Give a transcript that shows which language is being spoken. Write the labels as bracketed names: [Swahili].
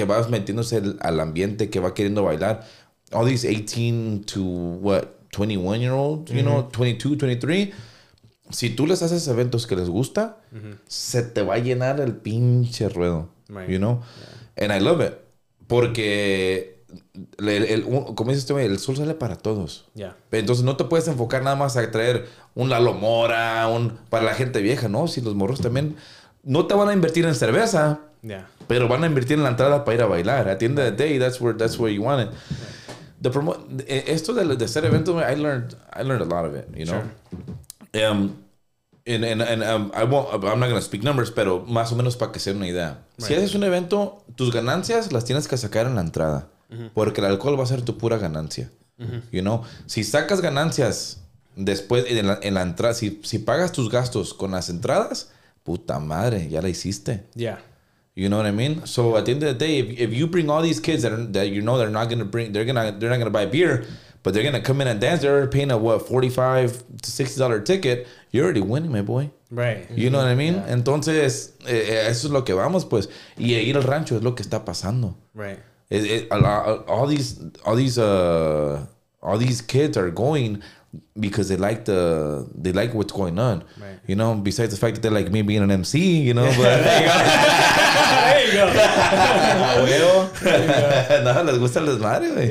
[Spanish] va que vas metiéndose al ambiente, que va queriendo bailar. [English] All these 18 to what 21 year old, mm-hmm. you know, 22, 23. [Spanish] Si tú les haces eventos que les gusta, mm-hmm. se te va a llenar el pinche ruedo, [English] right. you know? Yeah. And I love it. [Spanish] Porque, como dices tú, el sol sale para todos. [English] Yeah. [Spanish] Entonces, no te puedes enfocar nada más a traer un Lalo Mora, para la gente vieja, ¿no? Si los morros también... No te van a invertir en cerveza, [English] yeah. [Spanish] pero van a invertir en la entrada para ir a bailar. [English] At the end of the day, that's where you want it. Yeah. [Spanish] Esto de hacer eventos, [English] I learned a lot of it, you know? Sure. I'm not gonna speak numbers, [Spanish] pero más o menos para que sea una idea. Right. Si haces un evento, tus ganancias las tienes que sacar en la entrada, mm-hmm. porque el alcohol va a ser tu pura ganancia. Mm-hmm. [English] You know, [Spanish] si sacas ganancias después en la entrada, si pagas tus gastos con las entradas, puta madre, ya la hiciste. [English] Yeah. You know what I mean? So at the end of the day, if you bring all these kids that you know they're not gonna buy beer. But they're going to come in and dance. They're paying a, what, $45 to $60 ticket. You're already winning, my boy. Right. You know what I mean? Yeah. [Spanish] Entonces, eso es lo que vamos, pues. Y ir al rancho es lo que está pasando. [English] Right. All these kids are going because they like what's going on. Right. You know, besides the fact that they like me being an MC, you know. But there you go. There you go. [Spanish] Abuelo. No, les gusta las madres, güey.